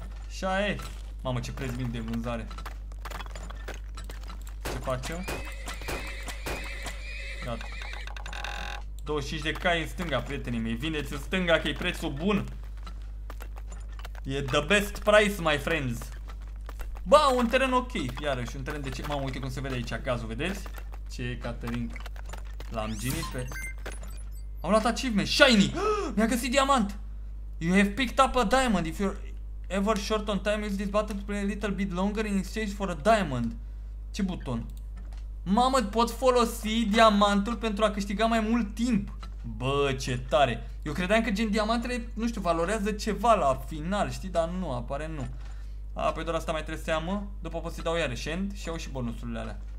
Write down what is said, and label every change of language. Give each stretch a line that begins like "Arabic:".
Romanian: Și aia e. Mamă, ce preț bine de vânzare. Facem. Gata. 25 de cai în stânga, prietenii mei. Vindeți în stânga că e prețul bun.
English: E the best price, my friends.
Romanian: Ba, un teren ok. Iarăși, un teren de ce? Mamă, uite cum se vede aici gazul, vedeți? Ce e, Caterin? L-am ginit pe... Am luat achievement, shiny! Mi-a găsit diamant!
English: You have picked up a diamond. If you're ever short on time, use this button to play a little bit longer in exchange for a diamond.
Romanian: Ce buton? Mamă, pot folosi diamantul pentru a câștiga mai mult timp. Bă, ce tare. Eu credeam că gen diamantele, nu știu, valorează ceva la final, știi? Dar nu, apare nu. A, păi doar asta mai trebuie seamă. După pot să-i dau iarăși end și iau și bonusurile alea.